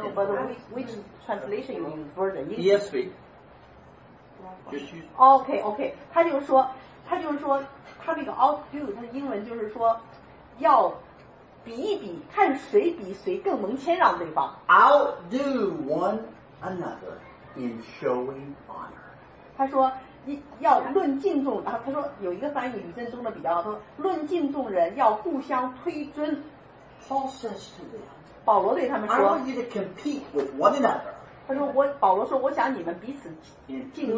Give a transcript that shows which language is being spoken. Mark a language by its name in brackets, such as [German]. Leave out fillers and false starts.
[English] I know, but which translation you use? Version? ESV. [Chinese] OK, 他就说他那个 outdo 他的英文就是说要比一比，看谁比谁更能谦让对方。 [English] Outdo one another in showing honor. [Chinese] 他说要论敬重，然后他说有一个翻译引申中的比较，他说论敬重人要互相推尊。 [English] Paul says to them, [Chinese] 保罗对他们说 [English] I want you to compete with one another. [Chinese] 他说我保罗说我想你们彼此敬。